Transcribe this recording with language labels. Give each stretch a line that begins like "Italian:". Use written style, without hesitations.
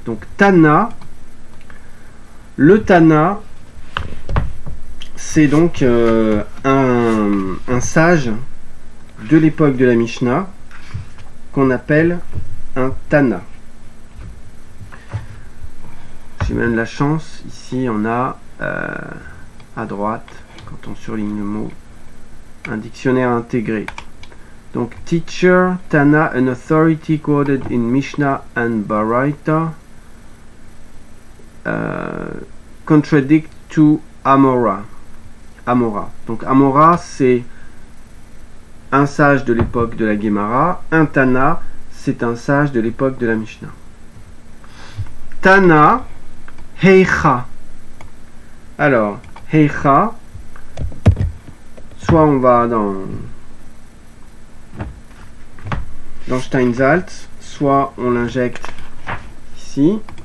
French: Donc, Tana, le Tana, c'est donc un sage de l'époque de la Mishnah qu'on appelle un Tana. J'ai même la chance, ici on a à droite, quand on surligne le mot, un dictionnaire intégré. Donc,
English: Teacher, Tana, an authority quoted in Mishnah and Baraita, contradict to Amora.
French: Amora. Donc, Amora, c'est un sage de l'époque de la Guémara. Un Tana, c'est un sage de l'époque de la Mishnah. Tana, Heicha. Alors, Heicha, soit on va dans Steinsaltz, soit on l'injecte ici.